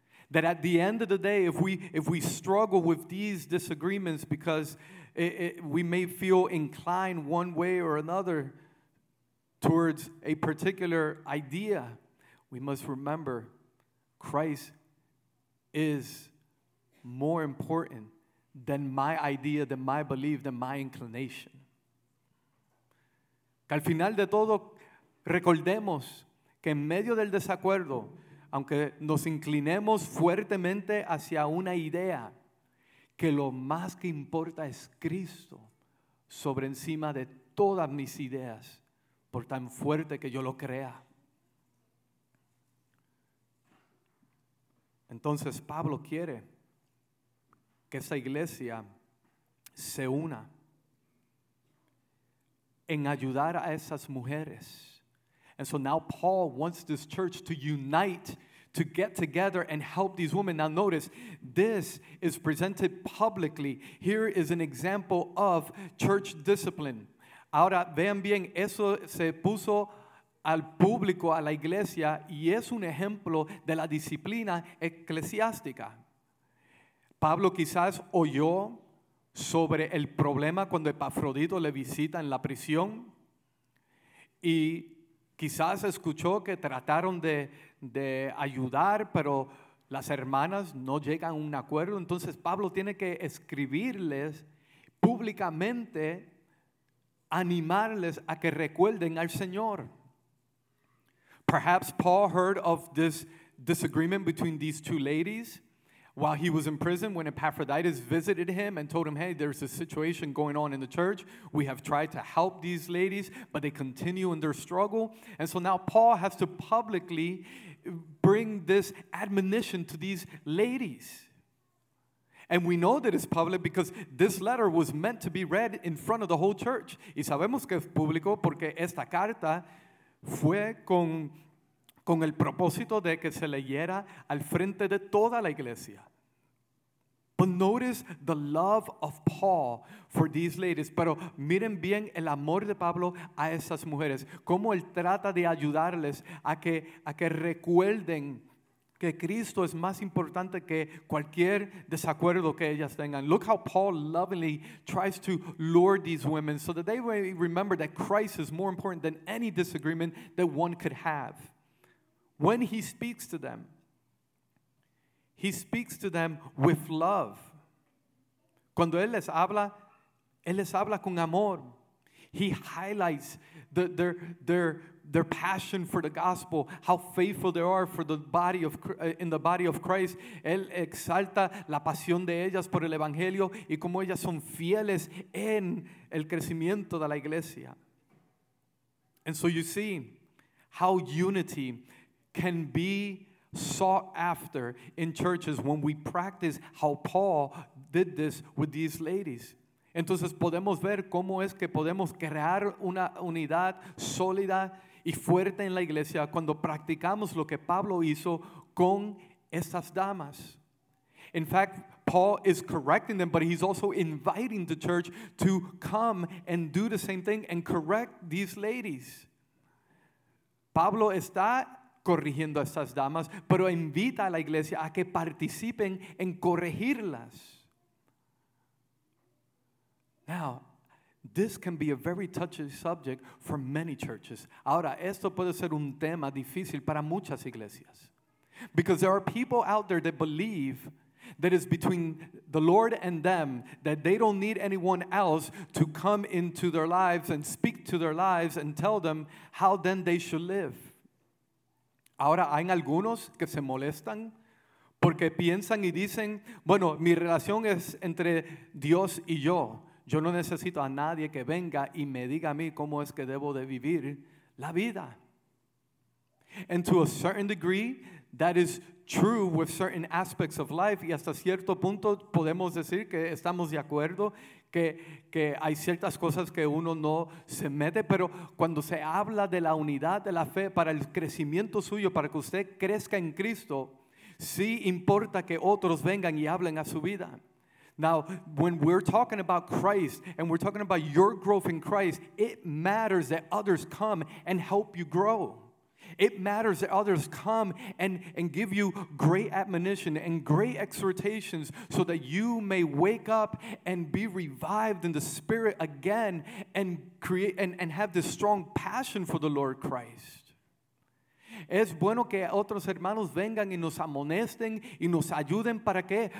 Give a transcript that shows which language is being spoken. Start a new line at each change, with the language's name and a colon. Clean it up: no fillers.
English: That at the end of the day, if we struggle with these disagreements because we may feel inclined one way or another towards a particular idea, we must remember Christ is more important than my idea, than my belief, than my inclination.
Spanish: Que al final de todo, recordemos que en medio del desacuerdo, aunque nos inclinemos fuertemente hacia una idea, que lo más que importa es Cristo sobre encima de todas mis ideas, por tan fuerte que yo lo crea. Entonces Pablo quiere que esa iglesia se una en ayudar a esas mujeres.
English: And so now Paul wants this church to unite, to get together and help these women. Now notice, this is presented publicly. Here is an example of church discipline.
Spanish: Ahora, vean bien, eso se puso al público, a la iglesia, y es un ejemplo de la disciplina eclesiástica. Pablo quizás oyó sobre el problema cuando Epafrodito le visita en la prisión, y quizás escuchó que trataron de ayudar, pero las hermanas no llegan a un acuerdo. Entonces Pablo tiene que escribirles públicamente, animarles a que recuerden al Señor.
English: Perhaps Paul heard of this disagreement between these two ladies, While he was in prison, when Epaphroditus visited him and told him, hey, there's a situation going on in the church. We have tried to help these ladies, but they continue in their struggle. And so now Paul has to publicly bring this admonition to these ladies. And we know that it's public because this letter was meant to be read in front of the whole church.
Spanish: Y sabemos que es público porque esta carta fue con el propósito de que se leyera al frente de toda la iglesia.
English: But notice the love of Paul for these ladies.
Spanish: Pero miren bien el amor de Pablo a esas mujeres. Cómo él trata de ayudarles a que recuerden que Cristo es más importante que cualquier desacuerdo que ellas tengan.
English: Look how Paul lovingly tries to lure these women so that they may remember that Christ is more important than any disagreement that one could have. When he speaks to them with love.
Spanish: Cuando él les habla con amor.
English: He highlights their passion for the gospel, how faithful they are for the body of in the body of Christ.
Spanish: Él exalta la pasión de ellas por el evangelio y cómo ellas son fieles en el crecimiento de la iglesia.
English: And so you see how unity can be sought after in churches when we practice how Paul did this with these ladies.
Spanish: Entonces podemos ver cómo es que podemos crear una unidad sólida y fuerte en la iglesia cuando practicamos lo que Pablo hizo con estas damas.
English: In fact, Paul is correcting them, but he's also inviting the church to come and do the same thing and correct these ladies.
Spanish: Pablo está corrigiendo a estas damas, pero invita a la iglesia a que participen en corregirlas.
English: Now, this can be a very touchy subject for many churches.
Spanish: Ahora, esto puede ser un tema difícil para muchas iglesias.
English: Because there are people out there that believe that it's between the Lord and them, that they don't need anyone else to come into their lives and speak to their lives and tell them how then they should live.
Spanish: Ahora, hay algunos que se molestan porque piensan y dicen, bueno, mi relación es entre Dios y yo. Yo no necesito a nadie que venga y me diga a mí cómo es que debo de vivir la vida.
English: And to a certain degree, that is true with certain aspects of life.
Spanish: Y hasta cierto punto podemos decir que estamos de acuerdo que hay ciertas cosas que uno no se mete. Pero cuando se habla de la unidad de la fe para el crecimiento suyo, para que usted crezca en Cristo, sí importa que otros vengan y hablen a su vida.
English: Now, when we're talking about Christ and we're talking about your growth in Christ, it matters that others come and help you grow. It matters that others come and give you great admonition and great exhortations so that you may wake up and be revived in the Spirit again and create and have this strong passion for the Lord Christ.
Spanish: Es bueno que otros hermanos vengan y nos amonesten y nos ayuden. ¿Para qué?